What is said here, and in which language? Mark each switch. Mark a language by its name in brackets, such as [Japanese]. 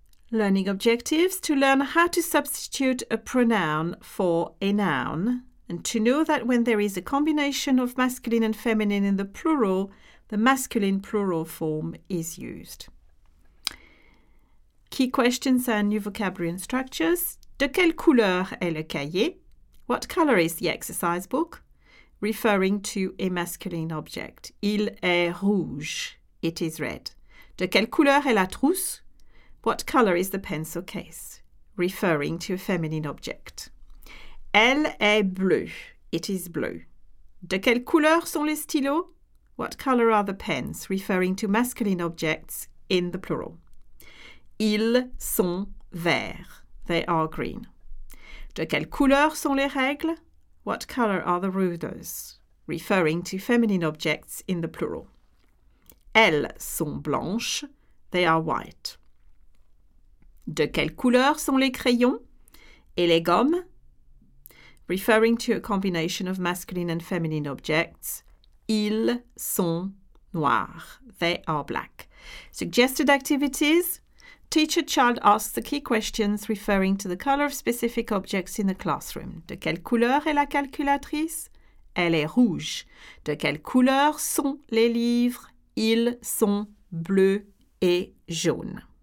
[English] Learning objectives. To learn how to substitute a pronoun for a noun and to know that when there is a combination of masculine and feminine in the plural, the masculine plural form is used. Key questions and new vocabulary and structures. [French] De quelle couleur est le cahier? [English] What colour is the exercise book? Referring to a masculine object. [French] Il est rouge. [English] It is red. [French] De quelle couleur est la trousse? [English] What colour is the pencil case? Referring to a feminine object. [French] Elle est bleue. [English] It is blue. [French] De quelle couleur sont les stylos? [English] What color are the pens? Referring to masculine objects in the plural. [French] Ils sont verts. [English] They are green. [French] De quelle couleur sont les règles? [English] What color are the rulers? Referring to feminine objects in the plural. [French] Elles sont blanches. [English] They are white. [French] De quelle couleur sont les crayons? Et les gommes? [English] Referring to a combination of masculine and feminine objects. [French] Ils sont noirs. [English] They are black. Suggested activities. Teacher child asks the key questions referring to the color of specific objects in the classroom. [French] De quelle couleur est la calculatrice? Elle est rouge. De quelle couleur sont les livres? Ils sont bleus et jaunes.